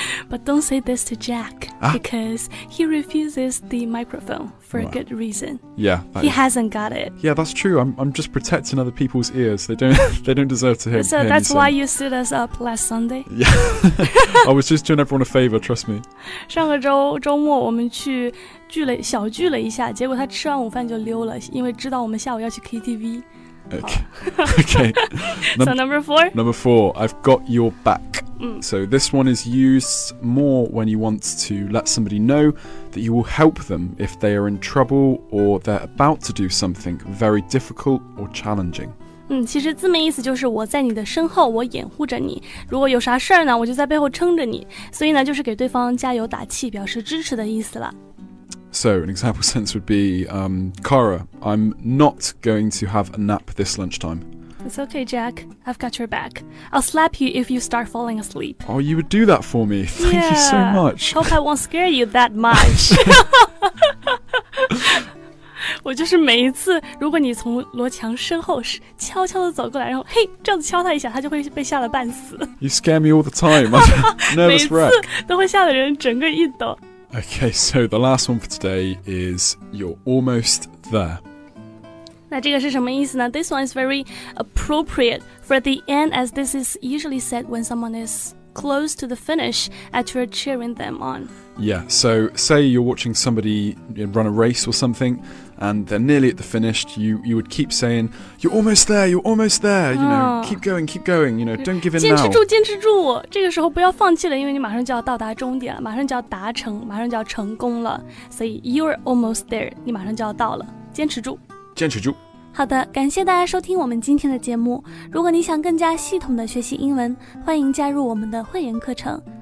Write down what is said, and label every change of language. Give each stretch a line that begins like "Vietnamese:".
English: But don't say this to Jack, because he refuses the microphone for a good reason. Yeah. He hasn't got it. Yeah, that's true. I'm just protecting other people's ears. They don't deserve to hear me sing. So that's why you stood us up last Sunday? Yeah. I was just doing everyone a favor, trust me.
Chinese: 上个周末我们去聚了小聚了一下，结果他吃完午饭就溜了，因为知道我们下午要去 KTV.
English: Okay. So number four? Number four, I've got your back. So this one is used more when you want to let somebody know that you will help them if they are in trouble or they're about to do something very difficult or challenging.
Chinese: 其实字面意思就是我在你的身后，我掩护着你。如果有啥事儿呢，我就在背后撑着你。所以呢，就是给对方加油打气，表示支持的意思了。
English: So an example sentence would be, Kara, I'm not going to have a nap this lunchtime. It's okay, Jack. I've got your back. I'll slap you if you start falling asleep. Oh, you would do that for me. Thank you so much. Hope I won't scare you that much.
Chinese: 我就是每一次，如果你从罗强身后悄悄地走过来，然后嘿这样子敲他一下，他就会被吓得半死。
English: You scare me all the time. Nervous wreck.
Chinese: 每次都会吓得人整个一抖。
English: Okay, so the last one for today is you're almost there.
Chinese: 那这个是什么意思呢？
English: This one is very appropriate for the end, as this is usually said when someone is close to the finish and you're cheering them on. Yeah, so say you're watching somebody run a race or something and they're nearly at the finish, you would keep saying, you're almost there, you're almost there, you know, keep going, you know, don't give in now.
Chinese: 坚持住，这个时候不要放弃了，因为你马上就要到达终点了，马上就要达成，马上就要成功了。所以
English: you're almost there,
Chinese: 你马上就要到了，坚持住。坚持住。好的，感谢大家收听我们今天的节目。如果你想更加系统的学习英文，欢迎加入我们的会员课程。